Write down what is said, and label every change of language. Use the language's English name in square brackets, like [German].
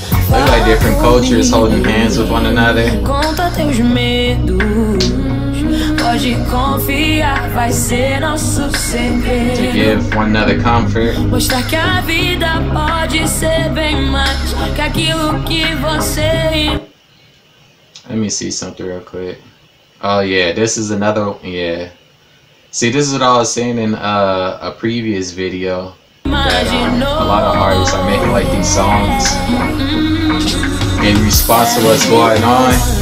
[English] Look like different cultures holding hands with one another. [Portuguese] Conta teus medos. Pode confiar, vai ser nosso segredo. [English] To give one another comfort. [Portuguese] Mostrar que a vida pode ser bem mais que aquilo que você. [English] Let me see something real quick. Oh yeah, this is another one. Yeah. See, this is what I was saying in a previous video. That, a lot of artists are making like these songs in response to what's going on.